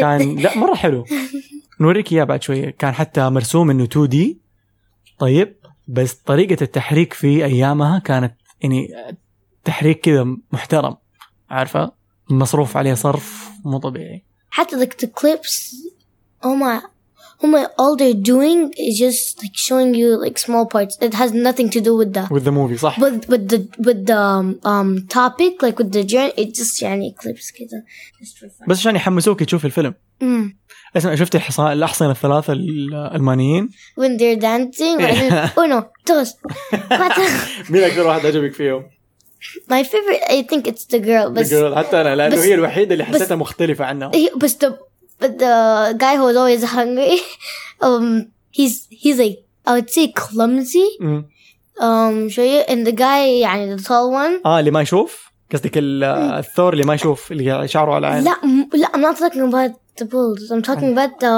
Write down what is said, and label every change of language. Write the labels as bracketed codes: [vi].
[ar] كان لا مرة حلو نوريك إياه بعد شوية كان حتى مرسوم إنه 2D طيب بس طريقة التحريك في أيامها كانت يعني تحريك كذا محترم عارفة مصروف عليه صرف مو طبيعي [en] حتى like the clips هما all they're doing is just like showing you like small parts it has nothing to do with that with the movie صح with the topic like with the journey it just يعني clips كذا [ar] بس عشان يحمسوك تشوف الفيلم اسمع شفت الحصان الثلاثة الألمانيين [en] when they're dancing oh no toes [ar] مين أكثر واحد عجبك فيهم [en] my favorite I think it's the girl [ar] the girl حتى أنا لأنه هي الوحيدة اللي حسيتها مختلفة عنها [en] but the guy who was always hungry he's like I would say clumsy show you and the guy يعني the tall one [ar] اللي ما يشوف قصدك الثور اللي ما يشوف اللي شعره على العين [en] لا I'm not talking about the bulls I'm talking about the